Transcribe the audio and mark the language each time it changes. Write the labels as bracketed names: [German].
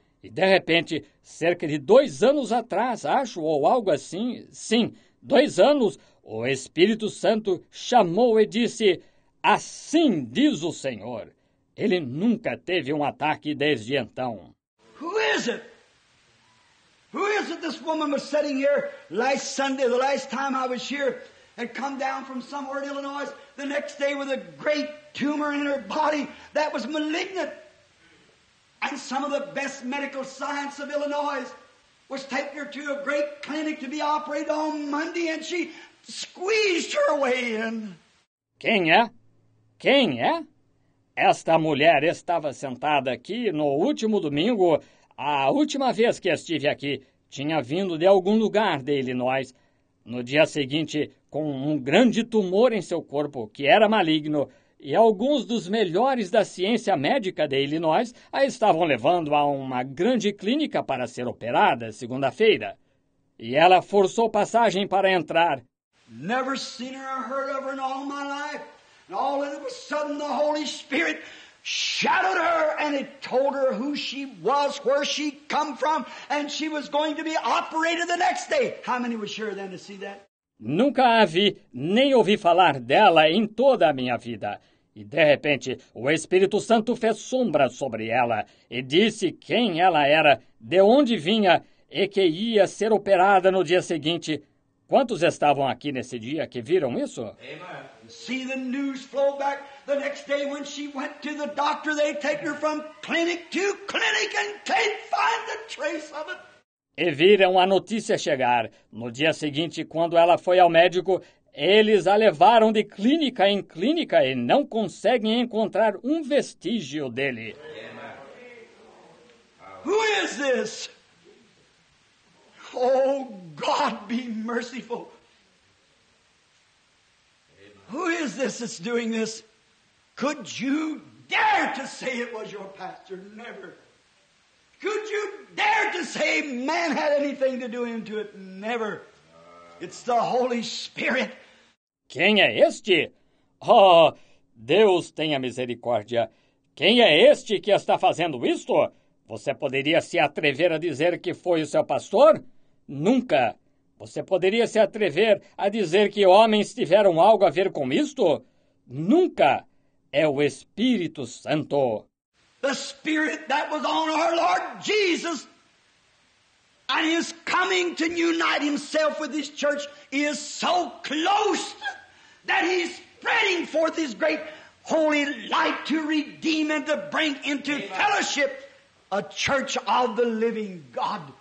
[Portuguese] E de repente, cerca de 2 anos atrás, acho, ou algo assim, sim, 2 anos, o Espírito Santo chamou e disse, assim diz o Senhor. Ele nunca teve um ataque desde então. [English] Who is it? Who is it this woman was sitting here last Sunday, the last time I was here, and come down from somewhere in Illinois the next day with a great tumor in her body that was malignant? And some of the best medical science of Illinois was taking her to a great clinic to be operated on Monday, and she squeezed her way in. [Portuguese] Quem é? Quem é? Esta mulher estava sentada aqui no último domingo, a última vez que estive aqui, tinha vindo de algum lugar de Illinois. No dia seguinte, com um grande tumor em seu corpo, que era maligno, e alguns dos melhores da ciência médica de Illinois a estavam levando a uma grande clínica para ser operada segunda-feira. E ela forçou passagem para entrar. [English] Never seen her or heard of her in all my life. And all of a sudden the Holy Spirit shadowed her and it told her who she was, where she come from, and she was going to be operated the next day. How many were sure then to see that? [Portuguese] Nunca a vi, nem ouvi falar dela em toda a minha vida. E de repente, o Espírito Santo fez sombra sobre ela e disse quem ela era, de onde vinha e que ia ser operada no dia seguinte. Quantos estavam aqui nesse dia que viram isso? [English] Amen. See the news flow back the next day when she went to the doctor, they take her from clinic to clinic and can't find the trace of it. [Portuguese] E viram a notícia chegar. No dia seguinte, quando ela foi ao médico, eles a levaram de clínica em clínica e não conseguem encontrar um vestígio dele. [English] Amen. Who is this? Oh, God, be merciful. Amen. Who is this that's doing this? Could you dare to say it was your pastor? Never. Could you dare to say man had anything to do into it? Never. It's the Holy Spirit. [Portuguese] Quem é este? Oh, Deus tenha misericórdia. Quem é este que está fazendo isto? Você poderia se atrever a dizer que foi o seu pastor? Nunca. Você poderia se atrever a dizer que homens tiveram algo a ver com isto? Nunca. É o Espírito Santo. [English] The Spirit that was on our Lord Jesus and is coming to unite himself with his church is so close that he's spreading forth his great holy light to redeem and to bring into fellowship a church of the living God.